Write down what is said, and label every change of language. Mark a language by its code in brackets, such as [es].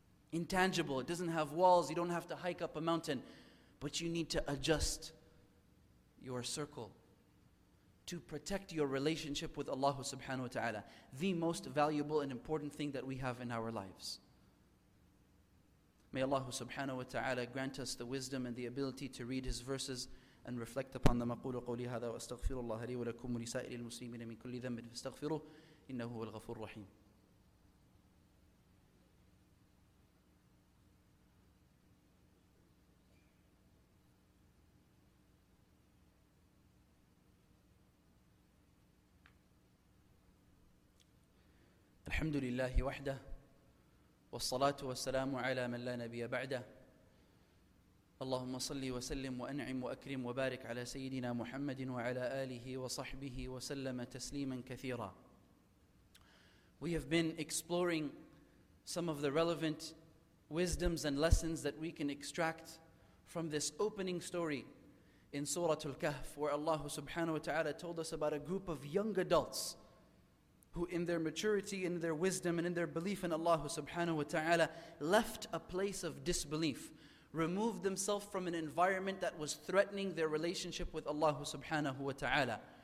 [en] Intangible, it doesn't have walls, you don't have to hike up a mountain, but you need to adjust your circle to protect your relationship with Allah subhanahu wa ta'ala, the most valuable and important thing that we have in our lives. May Allah subhanahu wa ta'ala grant us the wisdom and the ability to read His verses and reflect upon them. [ar] أقول قولي هذا وأستغفر الله لي ولكم ولسائر المسلمين من كل ذنب فاستغفروه إنه هو الغفور الرحيم. الحمد لله وحده والصلاة والسلام على من لا نبي بعده. اللهم صل وسلم وأنعم وأكرم وبارك على سيدنا محمد وعلى آله وصحبه وسلم تسليما كثيرا. [en] We have been exploring some of the relevant wisdoms and lessons that we can extract from this opening story in Surah Al-Kahf, where Allah subhanahu wa ta'ala told us about a group of young adults who in their maturity, in their wisdom, and in their belief in Allah subhanahu wa ta'ala, left a place of disbelief, removed themselves from an environment that was threatening their relationship with Allah subhanahu wa ta'ala.